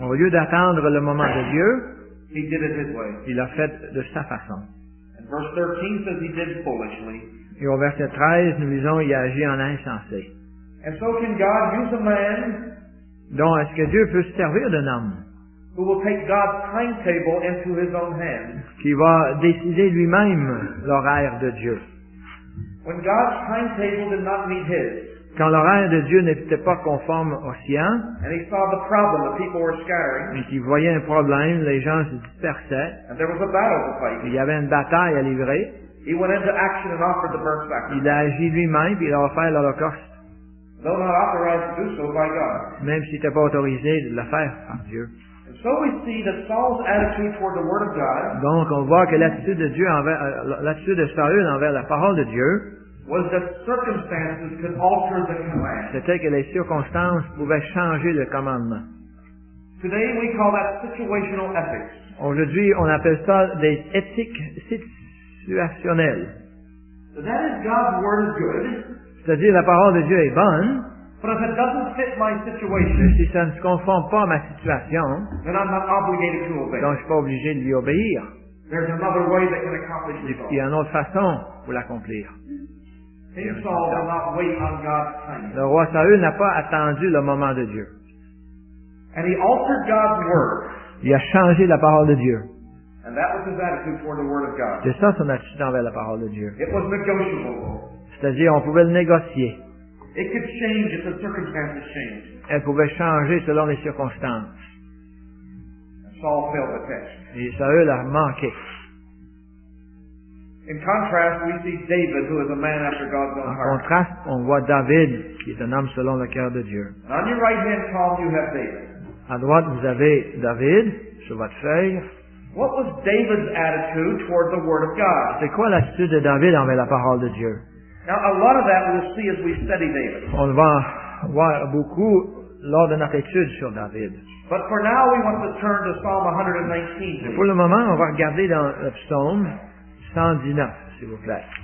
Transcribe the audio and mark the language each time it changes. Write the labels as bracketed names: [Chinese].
[French] au lieu d'attendre le moment de Dieu, [English] he did it his way. [French] Il a fait de sa façon. [English] Verse 13 says he did foolishly. [French] Et au verset 13, nous disons, il a agi en insensé. [English] And so can God use a man? [French] Donc, est-ce que Dieu peut servir d'un homme? [English] Who will take God's timetable into his own hands? [French] Qui va décider lui-même l'horaire de Dieu? [English] When God's timetable did not meet his. [French] Quand l'horaire de Dieu n'était pas conforme au sien. [English] And he saw the problem, the people were scattering. [French] Et qu'il voyait un problème, les gens se dispersaient. [English] And there was a battle to fight. [French] Il y avait une bataille à livrer. [English] He went into action and offered the burnt sacrifice. [French] Il a agi lui-même, puis il a offert l'Holocauste. [English] Though not authorized to do so by God. [French] Même s'il n'était pas autorisé de le faire par Dieu. [English] And so we see that Saul's attitude toward the word of God. [French] Donc on voit que l'attitude de Saül envers la parole de Dieu. [English] Was that circumstances could alter the command. [French] C'était que les circonstances pouvaient changer le commandement. [English] Today we call that situational ethics. [French] Aujourd'hui, on appelle ça des éthiques situationnelles. [English] So that is God's word good. [French] C'est-à-dire la parole de Dieu est bonne. [English] But if it doesn't fit my situation, [French] si ça ne se conforme pas à ma situation, [English] then I'm not obligated to obey. [French] Donc je ne suis pas obligé de lui obéir. [English] There's another way that can accomplish this. [French] Il y a une autre façon pour l'accomplir. Le roi Saül n'a pas attendu le moment de Dieu. [English] And he altered God's word. [French] Il a changé la parole de Dieu. [English] And that was his attitude toward the word of God. [French] C'est ça son attitude envers la parole de Dieu. [English] It was negotiable. [French] C'est-à-dire, on pouvait le négocier. [English] It could change if the circumstances changed. [French] Elle pouvait changer selon les circonstances. [English] And Saul failed the test. [French] Et Saül a manqué. [English] In contrast, we see David, who is a man after God's own heart. [French] En contraste, on voit David, qui est un homme selon le cœur de Dieu. [English] On your right hand column, you have David. [French] À droite, vous avez David sur votre feuille. [English] What was David's attitude toward the Word of God? [French] C'est quoi l'attitude de David envers la parole de Dieu? [English] Now, a lot of that we'll see as we study David. [French] On va voir beaucoup lors de notre étude sur David. [English] But for now, we want to turn to Psalm 119. [French] Mais pour le moment, on va regarder dans le psaume 119, s'il vous plaît.